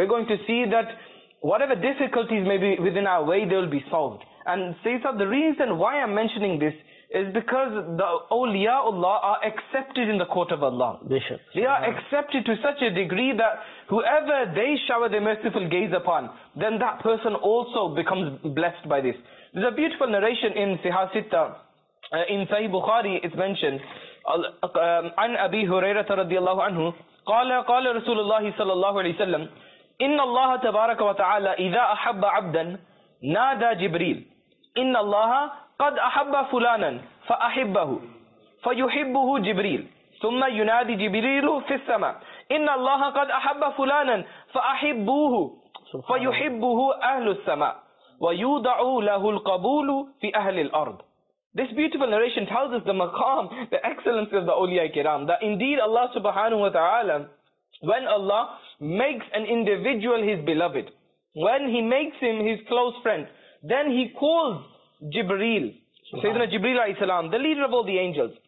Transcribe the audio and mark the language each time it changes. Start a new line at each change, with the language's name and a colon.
English: We're going to see that whatever difficulties may be within our way, they will be solved. And Sayyid Sahab, the reason why I'm mentioning this is because the awliyaullah are accepted in the court of Allah. Bishop. They are accepted to such a degree that whoever they shower their merciful gaze upon, then that person also becomes blessed by this. There's a beautiful narration in Sihah Sittah, in Sahih Bukhari, it's mentioned,
Arabic: عن أبي هريرة رضي الله عنه قال رسول الله صلى الله عليه وسلم إن الله تبارك وتعالى إذا أحب عبدا نادى جبريل إن الله قد أحب فلانا فأحبه فيحبه جبريل ثم ينادي جبريل في السماء إن الله قد أحب فلانا فأحبوه فيحبه أهل السماء ويوضع له القبول في أهل الأرض.
English: This beautiful narration tells us the maqam, the excellency of the awliya kiram, that indeed Allah subhanahu wa ta'ala, when Allah makes an individual His beloved, when He makes him His close friend, then He calls Jibreel, Sayyidina Jibreel alayhi salam, the leader of all the angels.